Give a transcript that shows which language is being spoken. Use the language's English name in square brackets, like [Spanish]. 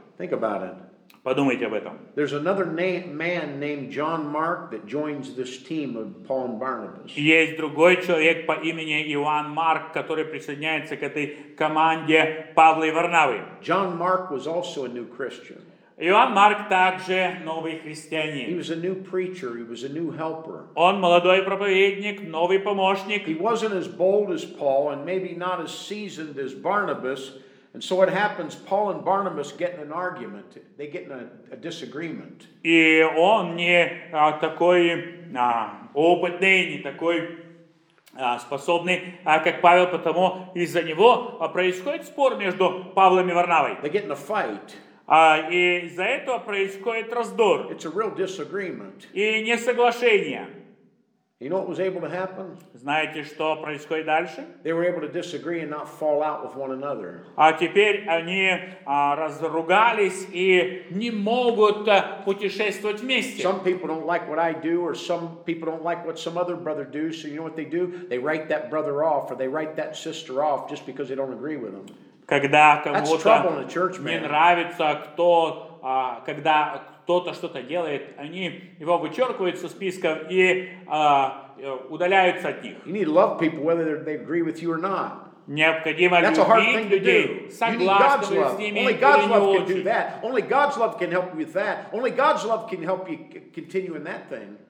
[English] Think about it. [Russian] Подумайте об этом. [English] There's another man named John Mark that joins this team of Paul and Barnabas. [Russian] Есть другой человек по имени Иоанн Марк, который присоединяется к этой команде Павла и Варнавы. [English] John Mark was also a new Christian. [Russian] Иоанн Марк также новый христианин. [English] He was a new preacher, he was a new helper. [Russian] Он молодой проповедник, новый помощник. [English] He wasn't as bold as Paul and maybe not as seasoned as Barnabas. And so what happens, Paul and Barnabas get in an argument, they get in a disagreement. [Russian] И он не такой опытный, не такой способный, как Павел, потому из-за него происходит спор между Павлом и Варнавой. [English] They get in a fight. [Russian] И из-за этого происходит раздор. [English] It's a real disagreement. [Russian] И несоглашение. [English] You know what was able to happen? [Russian] Знаете, что происходит дальше? [English] They were able to disagree and not fall out with one another. [Russian] А теперь они разругались и не могут путешествовать вместе. [English] Some people don't like what I do, or some people don't like what some other brother do. So you know what they do? They write that brother off, or they write that sister off, just because they don't agree with them. [Russian] Когда кому-то не нравится, кто, когда кто-то что-то делает, они его вычеркивают со списков и удаляются от них. [English] You need to love people whether they agree with you or not. [Russian] Необходимо любить людей, согласны с ними или не очень. [English] Only God's love can do that. Only God's love can help you with that. Only God's love can help you continue in that thing.